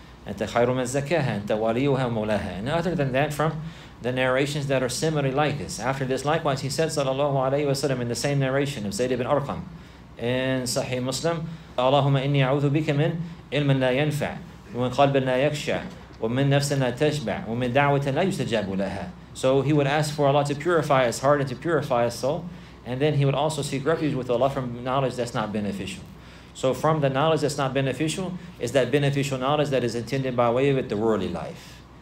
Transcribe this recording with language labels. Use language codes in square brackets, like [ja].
[ar] أنت خير من زكاها أنت وليها مولاها. [en] And other than that, from the narrations that are similarly like this. After this, likewise, he said, sallallahu alayhi wa sallam, in the same narration of Zayd ibn Arqam in Sahih Muslim, [ar] اللهم إني أعوذ بك من علم لا ينفع ومن قلب لا يخشع ومن نفس لا تشبع ومن دعوة لا يستجاب لها. [en] So he would ask for Allah to purify his heart and to purify his soul. And then he would also seek refuge with Allah from knowledge that's not beneficial. So from the knowledge that's not beneficial is that beneficial knowledge that is intended by way of it, the worldly life.